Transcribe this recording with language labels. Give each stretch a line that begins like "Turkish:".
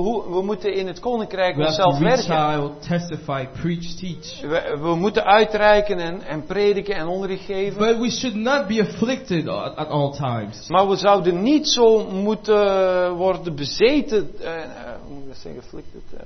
Dutch: We moeten in het koninkrijk onszelf werken.
English: We have to reach out, testify, preach, teach.
Dutch: We moeten uitreiken en prediken en onderricht geven.
English: But we should not be afflicted at all times.
Dutch: Maar we zouden niet zo moeten worden bezeten. Hoe moet ik zeggen, afflicted?